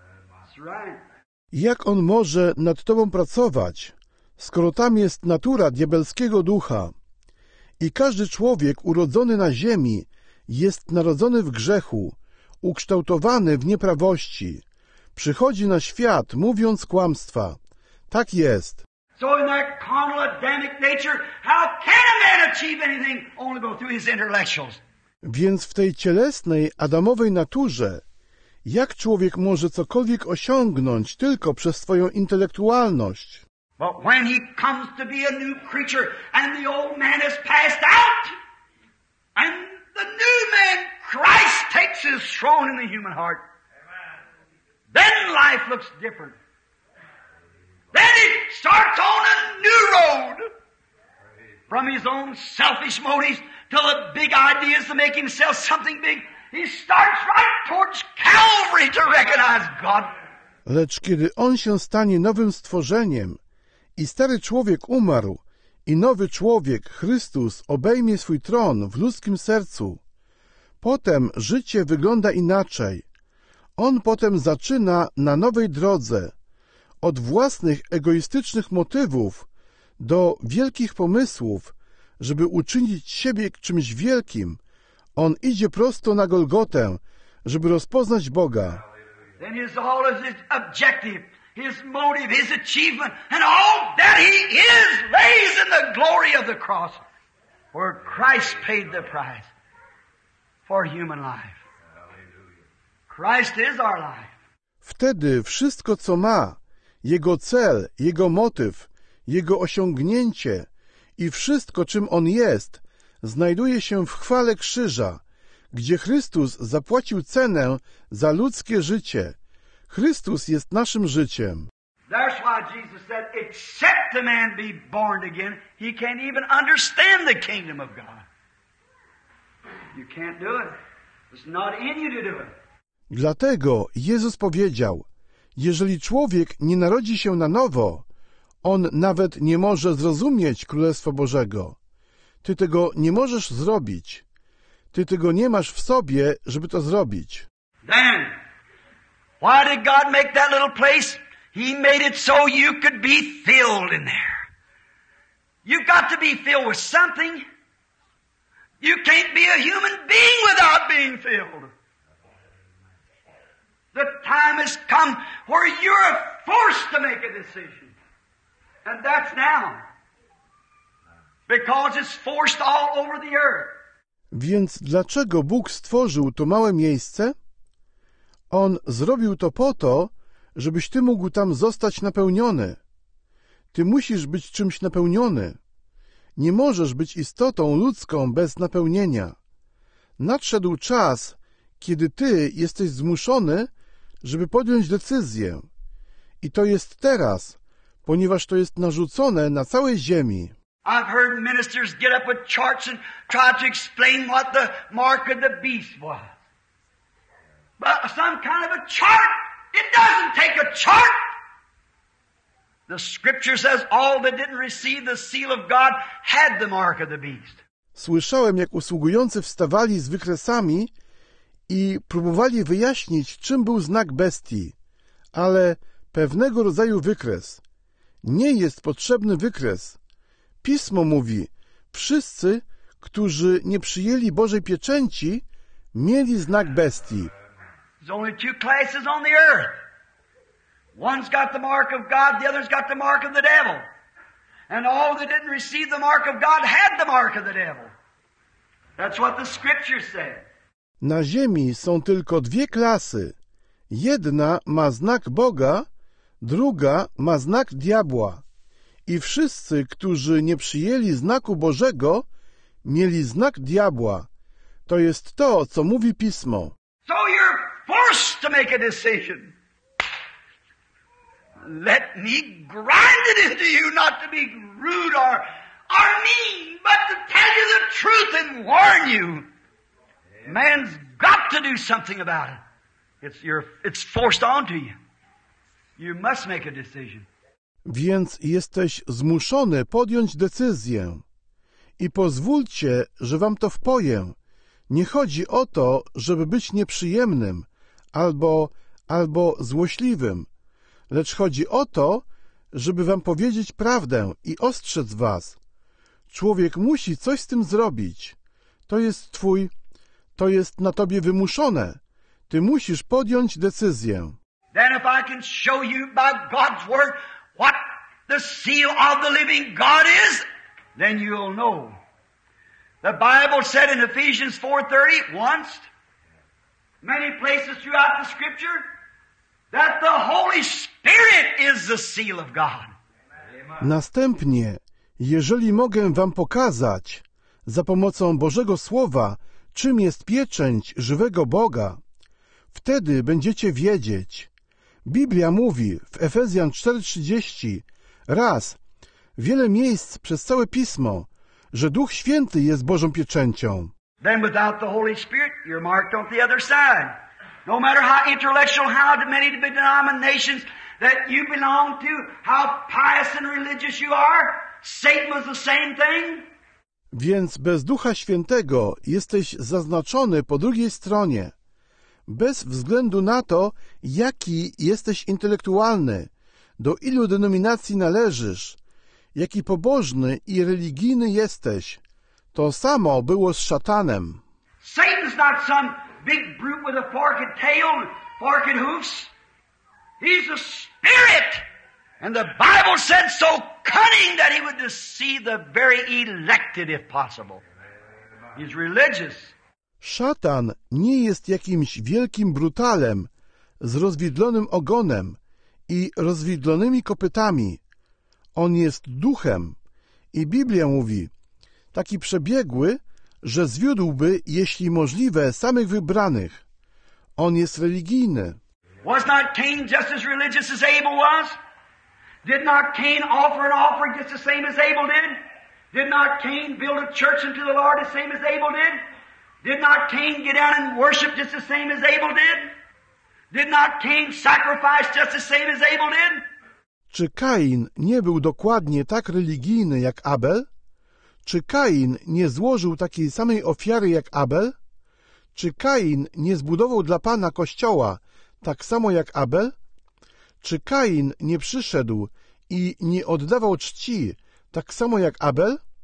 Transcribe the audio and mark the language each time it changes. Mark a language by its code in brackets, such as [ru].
[en] That's right. [pl] Jak on może nad tobą pracować, skoro tam jest natura diabelskiego ducha? I każdy człowiek urodzony na ziemi jest narodzony w grzechu, ukształtowany w nieprawości. Przychodzi na świat, mówiąc kłamstwa. Tak jest. [en] So in that carnal Adamic nature, how can a man achieve anything only go through his intellectuals? [pl] Więc w tej cielesnej, adamowej naturze, jak człowiek może cokolwiek osiągnąć tylko przez swoją intelektualność? [en] But when he comes to be a new creature and the old man has passed out, and the new man, Christ, takes his throne in the human heart, then life looks different. Then he starts on a new road. From his own selfish motives to the big ideas to make himself something big, he starts right towards Calvary to recognize God. [pl] Lecz kiedy on się stanie nowym stworzeniem i stary człowiek umarł i nowy człowiek, Chrystus, obejmie swój tron w ludzkim sercu, potem życie wygląda inaczej. On potem zaczyna na nowej drodze, od własnych egoistycznych motywów do wielkich pomysłów, żeby uczynić siebie czymś wielkim. On idzie prosto na Golgotę, żeby rozpoznać Boga. [en] Then is all of his objective, his motive, his achievement, and all that he is lays in the glory of the cross, where Christ paid the price for human life. Christ is our life. [pl] Wtedy wszystko, co ma, jego cel, jego motyw, jego osiągnięcie i wszystko, czym on jest, znajduje się w chwale krzyża, gdzie Chrystus zapłacił cenę za ludzkie życie. Chrystus jest naszym życiem. [en] That's why Jesus said, except the man be born again, he can't even understand the kingdom of God. You can't do it. It's not in you to do it. [pl] Dlatego Jezus powiedział, jeżeli człowiek nie narodzi się na nowo, On nawet nie może zrozumieć Królestwa Bożego. Ty tego nie możesz zrobić. Ty tego nie masz w sobie, żeby to zrobić. [en] Then, why did God make that little place? He made it so you could be filled in there. You've got to be filled with something. You can't be a human being without being filled. The time has come where you're forced to make a decision. And that's now. Because it's forced all over the earth. [pl] Więc dlaczego Bóg stworzył to małe miejsce? On zrobił to po to, żebyś ty mógł tam zostać napełniony. Ty musisz być czymś napełniony. Nie możesz być istotą ludzką bez napełnienia. Nadszedł czas, kiedy ty jesteś zmuszony, żeby podjąć decyzję. I to jest teraz, ponieważ to jest narzucone na całej ziemi. [en] I've heard ministers get up with charts and try to explain what the mark of the beast was. But some kind of a chart. It doesn't take a chart. The scripture says all that didn't receive the seal of God had the mark of the beast. [pl] Słyszałem, jak usługujący wstawali z wykresami i próbowali wyjaśnić, czym był znak bestii, ale pewnego rodzaju wykres. Nie jest potrzebny wykres. Pismo mówi, wszyscy, którzy nie przyjęli Bożej pieczęci, mieli znak bestii. [en] There's only two classes on the earth. One's got the mark of God, the other's got the mark of the devil. And all that didn't receive the mark of God had the mark of the devil. That's what the scripture said. [pl] Na ziemi są tylko dwie klasy. Jedna ma znak Boga, druga ma znak diabła. I wszyscy, którzy nie przyjęli znaku Bożego, mieli znak diabła. To jest to, co mówi Pismo. [en] So you're forced to make a decision. Let me grind it into you not to be rude or mean, but to tell you the truth and warn you. Man's got to do something about it. It's forced onto you. You must make a decision. [pl] Więc jesteś zmuszony podjąć decyzję. I pozwólcie, że wam to wpoję. Nie chodzi o to, żeby być nieprzyjemnym albo złośliwym, lecz chodzi o to, żeby wam powiedzieć prawdę i ostrzec was. Człowiek musi coś z tym zrobić. To jest na tobie wymuszone. Ty musisz podjąć decyzję. [en] Then if I can show you by God's word what the seal of the living God is, then you'll know. The Bible said in Ephesians 4:30, once, many places throughout the scripture, that the Holy Spirit is the seal of God. [pl] Następnie, jeżeli mogę wam pokazać za pomocą Bożego Słowa, czym jest pieczęć żywego Boga, wtedy będziecie wiedzieć. Biblia mówi w Efezjan 4:30 raz, wiele miejsc przez całe Pismo, że Duch Święty jest Bożą pieczęcią. [en] Then without the Holy Spirit, you're marked on the other side. No matter how intellectual, how many denominations that you belong to, how pious and religious you are, Satan was the same thing. [pl] Więc bez Ducha Świętego jesteś zaznaczony po drugiej stronie. Bez względu na to, jaki jesteś intelektualny, do ilu denominacji należysz, jaki pobożny i religijny jesteś, to samo było z szatanem. [en] Satan's not some big brute with a forked tail and forked hoofs. He's a spirit. And the Bible said so cunning that he would deceive the very elected if possible. He's religious. [pl] Szatan nie jest jakimś wielkim brutalem z rozwidlonym ogonem i rozwidlonymi kopytami. On jest duchem. I Biblia mówi, taki przebiegły, że zwiódłby, jeśli możliwe, samych wybranych. On jest religijny. [en] Was not Cain just as religious as Abel was? Did not Cain offer an offering just the same as Abel did? Did not Cain build a church unto the Lord the same as Abel did? Did not Cain get down and worship just the same as Abel did? Did not Cain sacrifice just the same as Abel did? [pl] Czy Kain nie był dokładnie tak religijny jak Abel? Czy Kain nie złożył takiej samej ofiary jak Abel? Czy Kain nie zbudował dla Pana kościoła tak samo jak Abel? Czy Kain nie przyszedł i nie oddawał czci tak samo jak Abel?